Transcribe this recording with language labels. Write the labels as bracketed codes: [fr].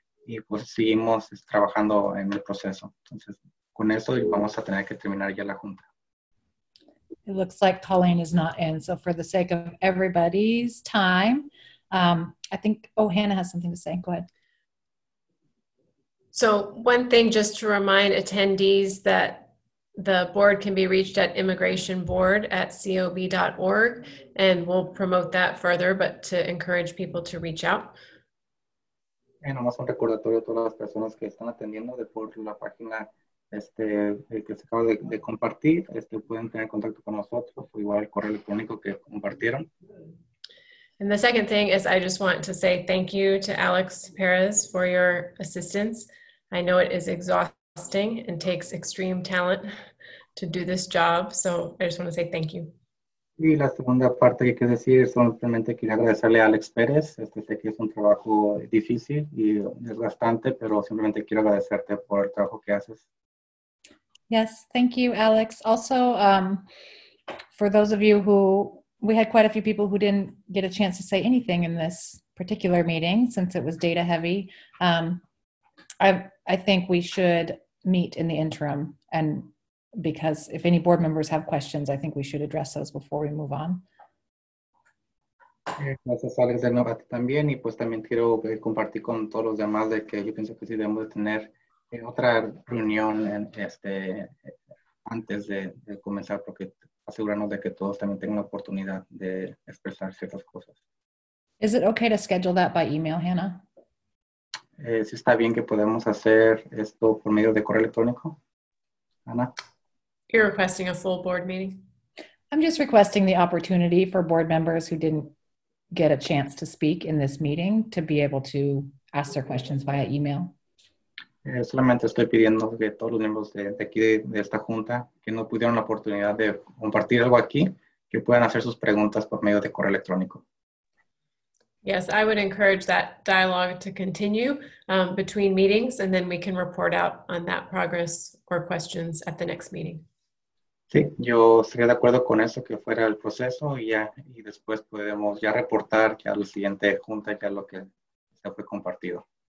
[es] Y pues seguimos trabajando en el proceso. Entonces, con eso vamos a tener que terminar ya la junta. [en] It looks like Colleen is not in. So for the sake of everybody's time, I think, oh, Hannah has something to say. Go ahead. So one thing just to remind attendees that the board can be reached at immigrationboard@cob.org and we'll promote that further, but to encourage people to reach out. [es] Y nomás un recordatorio a todas las personas que están atendiendo de por la página que se acaba de compartir, pueden tener contacto con nosotros o igual el correo electrónico que compartieron. [en] And the second thing is I just want to say thank you to Alex Perez for your assistance. I know it is exhausting and takes extreme talent to do this job, so I just want to say thank you. [es] Y la segunda parte que quiero decir es solamente quería agradecerle a Alex Pérez. Sé que es un trabajo difícil y desgastante, pero simplemente quiero agradecerte por el trabajo que haces. [en] Yes, thank you, Alex. Also, for those of you who, we had quite a few people who didn't get a chance to say anything in this particular meeting since it was data heavy. I think we should meet in the interim, and because if any board members have questions, I think we should address those before we move on. [es] Gracias, Alex, de nuevo a ti también, y pues también quiero compartir con todos los demás de que yo pienso que sí debemos tener otra reunión antes de comenzar, porque asegurarnos de que todos también tengan la oportunidad de expresar ciertas cosas. [en] Is it okay to schedule that by email, Hannah? [es] Si está bien que podemos hacer esto por medio de correo electrónico, Ana. [en] You're requesting a full board meeting. I'm just requesting the opportunity for board members who didn't get a chance to speak in this meeting to be able to ask their questions via email. [es] Solamente estoy pidiendo que todos los miembros de aquí de esta junta que no pudieron la oportunidad de compartir algo aquí, que puedan hacer sus preguntas por medio de correo electrónico. [en] Yes, I would encourage that dialogue to continue between meetings, and then we can report out on that progress or questions at the next meeting. [es] Sí, yo estaría de acuerdo con eso, que fuera el proceso, y ya, y después podemos ya reportar ya la siguiente junta, ya lo que se fue compartido.